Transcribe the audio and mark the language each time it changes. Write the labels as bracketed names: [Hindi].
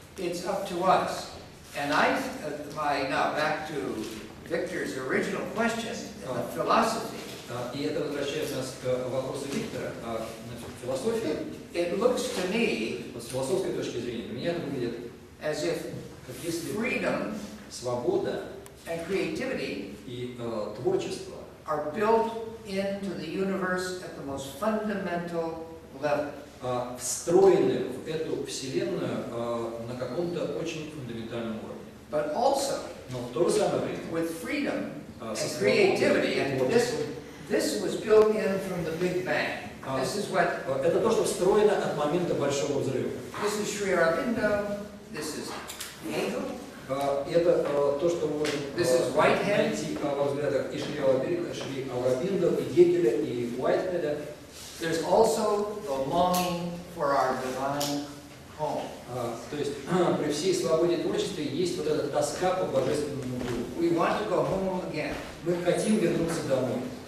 [English] It's up to us. And I, my, now back to Victor's original question in the philosophy. [Russian] И это возвращается нас к вопросу Виктора о философии. [English] It looks to me, [Russian] с философской точки зрения, для меня это выглядит [English] as if freedom, [Russian] свобода [English] and creativity [Russian] и творчество [English] are built into the universe at the most fundamental level. [Russian] Встроены в эту вселенную на каком-то очень фундаментальном уровне. [English] But also, [Russian] но в то же самое время, [English] with freedom and creativity and this was built in from the Big Bang. This is what. [Russian] Это то, что встроено от момента большого взрыва. [English] This is Sri Aurobindo. This is Hegel. [Russian] Это то, что мы можем. [English] This is Whitehead. [Russian] Найти во взглядах и Шри Аурабиндо, и Гегеля, и Уайтхеда. [English] There's also the longing for our divine home. [Russian] То есть при всей свободе творчества есть вот эта тоска по божественному миру. [English] We want to go home again. [Russian] Мы хотим вернуться домой.